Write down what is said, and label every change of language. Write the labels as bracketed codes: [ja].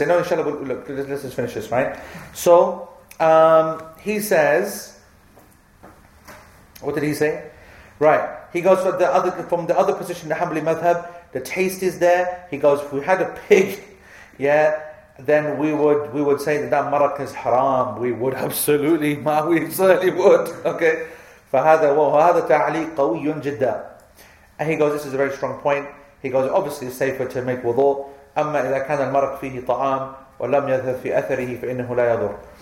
[en] No, inshallah, look, let's just finish this, right? So, he says, what did he say? Right, he goes from the other position, the Hanbali Madhab, the taste is there. He goes, if we had a pig, yeah, then we would say that marak is haram. We would absolutely, we certainly would. [ar] Okay, فهذا وهذا تعليق قوي جدا. [en] And he goes, this is a very strong point. He goes, obviously it's safer to make wudu. [ar] أما إذا كان المرق فيه طعام ولم يذهب في أثره فإنه لا يضر.